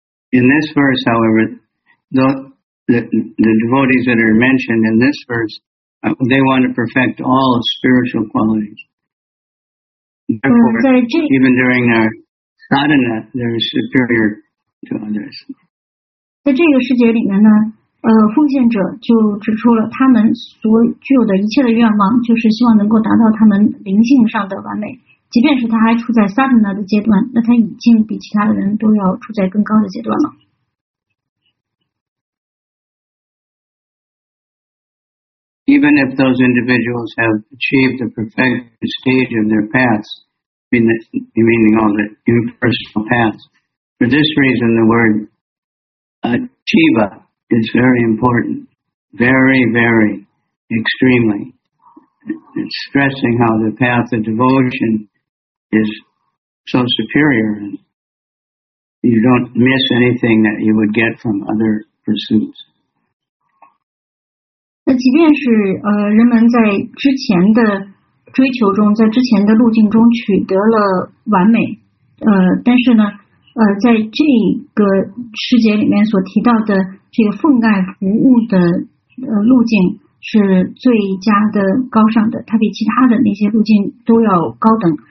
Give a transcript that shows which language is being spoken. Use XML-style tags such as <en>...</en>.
<en>In this verse, however, the devotees that are mentioned in this verse, they want to perfect all spiritual qualities. Therefore, even during their sadhana, they're superior to others.</en> <zh>在这个世界里面呢，奉献者就指出了他们所具有的一切的愿望，就是希望能够达到他们灵性上的完美。即便是他还处在 sadhana 的阶段，那他已经比其他的人都要处在更高的阶段了。</zh> <en>Even if those individuals have achieved the perfect stage of their paths, meaning all the impersonal paths, for this reason the word achieva is very important, very, very, extremely. It's stressing how the path of devotion. Is so superior, and you don't miss anything that you would get from other pursuits.</en> <zh>那即便是人们在之前的追求中，在之前的路径中取得了完美，但是呢，在这个世界里面所提到的这个奉爱服务的路径是最佳的、高尚的，它比其他的那些路径都要高等。</zh>